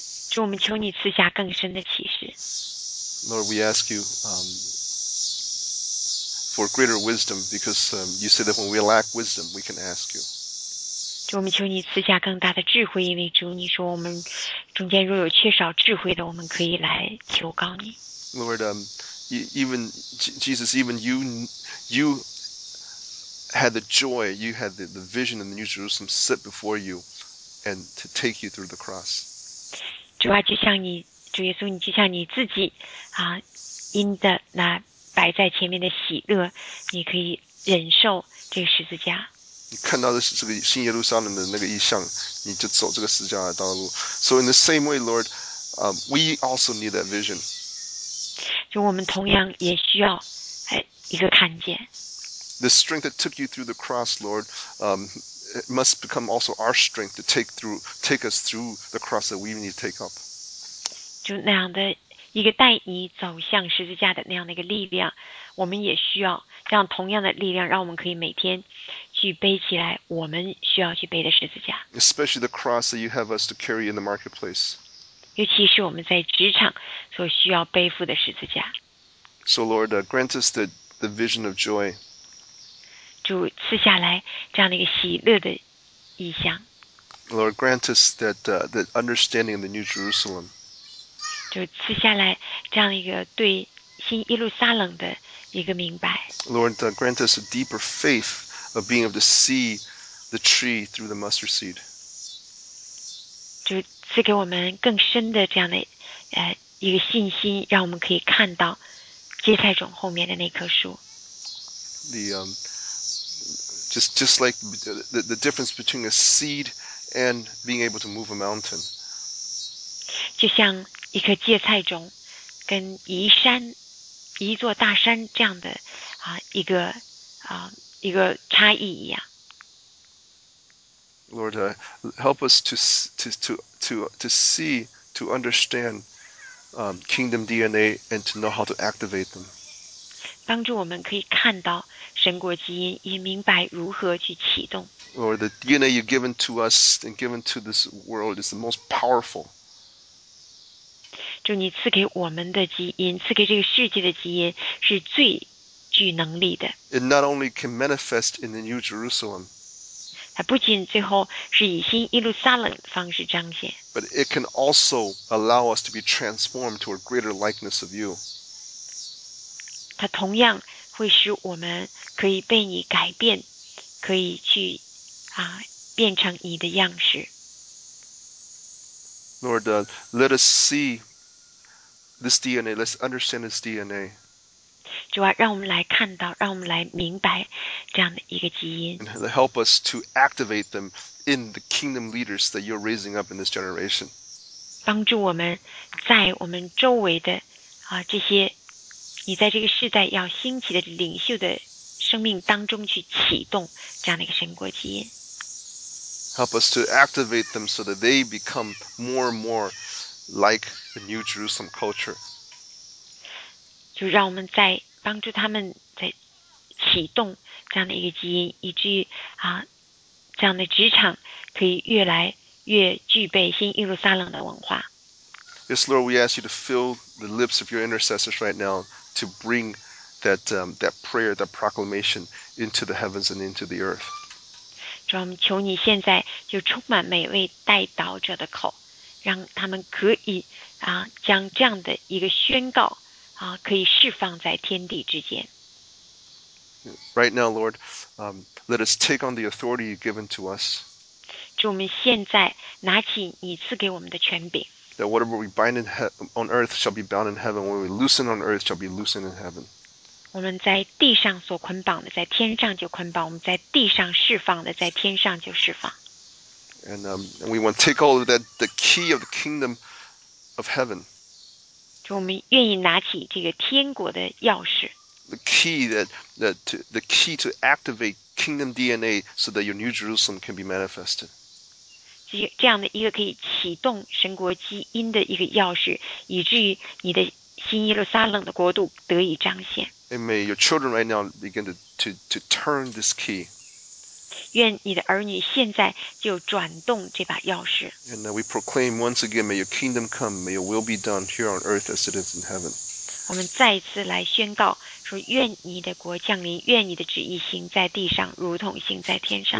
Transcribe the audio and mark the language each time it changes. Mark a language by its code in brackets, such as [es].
[zh] 主，我们求你赐下更深的启示。 [en] Lord, we ask you for greater wisdom, because you say that when we lack wisdom, we can ask you. [zh] 主，我们求你赐下更大的智慧，因为主你说我们中间若有缺少智慧的，我们可以来求告你。 [en] Lord, even Jesus, even you had the joy, you had the vision in the New Jerusalem set before you, and to take you through the cross. [zh] 主啊，就像你主耶稣，你就像你自己啊，因的那摆在前面的喜乐，你可以忍受这个十字架。你看到的是这个新耶路撒冷的那个意象，你就走这个十字架的道路。 [en] So in the same way, Lord, we also need that vision. [zh] 就我们同样也需要一个看见。 [en] The strength that took you through the cross, Lord, must become also our strength to take us through the cross that we need to take up. [zh] 就那样的一个带你走向十字架的那样的一个力量，我们也需要这样同样的力量，让我们可以每天去背起来我们需要去背的十字架。 [en] Especially the cross that you have us to carry in the marketplace. [zh] 尤其是我们在职场所需要背负的十字架。 [en] So Lord, grant us the vision of joy. [zh] 主赐下来这样的一个喜乐的意象。 [en] Lord, grant us that understanding of the New Jerusalem. [zh] 主赐下来这样一个对新耶路撒冷的一个明白。 [en] Lord, grant us a deeper faith of being able to see the tree through the mustard seed. [zh] 主赐给我们更深的这样的一个信心，让我们可以看到芥菜种后面的那棵树。 [en] Just like the difference between a seed and being able to move a mountain. [zh] 就像一颗芥菜种跟移山、移座大山这样的一个差异一样。 [en] Lord, help us to see, to understand kingdom DNA and to know how to activate them. [zh] 帮助我们可以看到神国基因，也明白如何去启动。 [en] Lord, the DNA you've given to us and given to this world is the most powerful. [zh] 主，你赐给我们的基因，赐给这个世界的基因是最具能力的。 [en] It not only can manifest in the New Jerusalem. [zh] 它不仅最后是以新耶路撒冷的方式彰显。 [en] But it can also allow us to be transformed to a greater likeness of you. [zh] 它同样会使我们可以被你改变，可以去变成你的样式。 [en] Lord, let us see this DNA. Let's understand this DNA. [zh] 主啊，让我们来看到，让我们来明白这样的一个基因。 [en] And help us to activate them in the kingdom leaders that you're raising up in this generation. [zh] 帮助我们在我们周围的这些。你在这个世代要兴起的领袖的生命当中去启动这样的一个神国基因。 [en] Help us to activate them so that they become more and more like the New Jerusalem culture. [zh] 就让我们在帮助他们在启动这样的一个基因，以至于这样的职场可以越来越具备新耶路撒冷的文化。 [en] Yes, Lord, we ask you to fill the lips of your intercessors right now. To bring that prayer, that proclamation into the heavens and into the earth. [zh] 主，我们求你现在就充满每位代祷者的口，让他们可以将这样的一个宣告可以释放在天地之间。 [en] Right now, Lord, let us take on the authority you've given to us. [zh] 主，我们现在拿起你赐给我们的权柄。 [en] That whatever we bind on earth shall be bound in heaven, whatever we loosen on earth shall be loosened in heaven. [zh] 我们在地上所捆绑的，在天上就捆绑；我们在地上释放的，在天上就释放。 [en] And we want to take all of that, the key of the kingdom of heaven. [zh] 就我们愿意拿起这个天国的钥匙。 [en] The key the key to activate kingdom DNA so that your new Jerusalem can be manifested. [zh] 这样的一个可以启动神国基因的一个钥匙，以至于你的新耶路撒冷的国度得以彰显。 [en] And may your children right now begin to turn this key. [zh] 愿你的儿女现在就转动这把钥匙。 [en] And we proclaim once again, may your kingdom come, may your will be done here on earth as it is in heaven. [zh] 我们再次来宣告说，愿你的国降临，愿你的旨意行在地上，如同行在天上。